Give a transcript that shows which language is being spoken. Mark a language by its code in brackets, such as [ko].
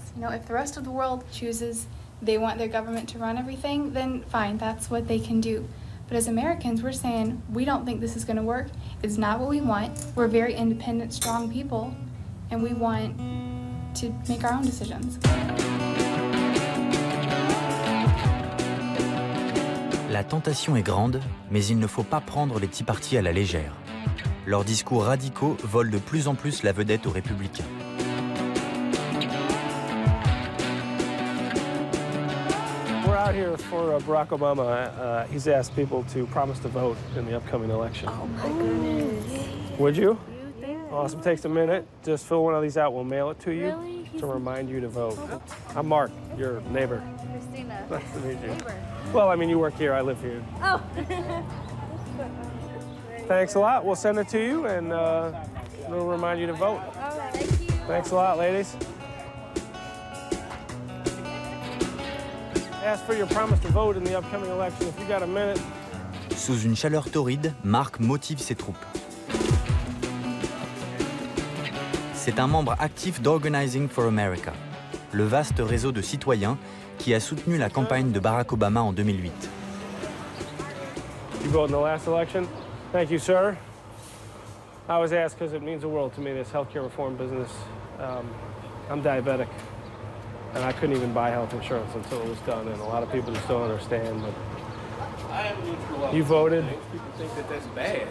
[en] You know, if the rest of the world chooses they want their government to run everything, then fine, that's what they can do. But as Americans, we're saying, we don't think this is going to work. It's not what we want. We're very independent, strong people, and we want to make our own decisions. [fr] La tentation est grande, mais il ne faut pas prendre les Tea Party à la légère. Leurs discours radicaux volent de plus en plus la vedette aux républicains. [en] out here for Barack Obama. He's asked people to promise to vote in the upcoming election. Oh, my goodness. Would you? Yeah. Awesome. Takes a minute. Just fill one of these out. We'll mail it to you to remind you to vote. I'm Mark, your neighbor. Christina. Nice to meet you. Neighbor. Well, I mean, you work here. I live here. Oh. Thanks a lot. We'll send it to you, and we'll remind you to vote. Oh, thank you. Thanks a lot, ladies. Ask for your promise to vote in the upcoming election if you got a minute. [fr] Sous une chaleur torride, Mark motive ses troupes. C'est un membre actif d'Organizing for America, le vaste réseau de citoyens qui a soutenu la campagne de Barack Obama en 2008. [en] You voted in the last election? Thank you, sir. I was asked because it means the world to me, this healthcare reform business. I'm diabetic. And I couldn't even buy health insurance until it was done. And a lot of people just don't understand. But I am neutral. You voted. People think that that's bad.